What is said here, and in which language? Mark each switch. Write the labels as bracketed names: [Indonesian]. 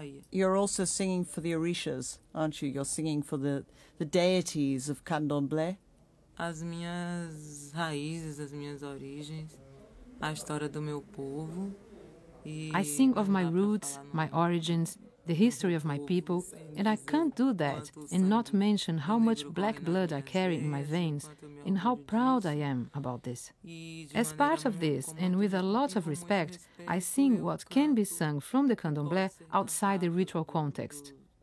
[English] You're also singing for the orixas, aren't you? You're singing for the deities of Candomblé. [Portuguese] As minhas raízes, as minhas origens, a história do meu povo. [English] I sing of my roots, my origins, the history of my people, and I can't do that and not mention how much black blood I carry in my veins and how proud I am about this. As part of this, and with a lot of respect, I sing what can be sung from the candomblé outside the ritual context.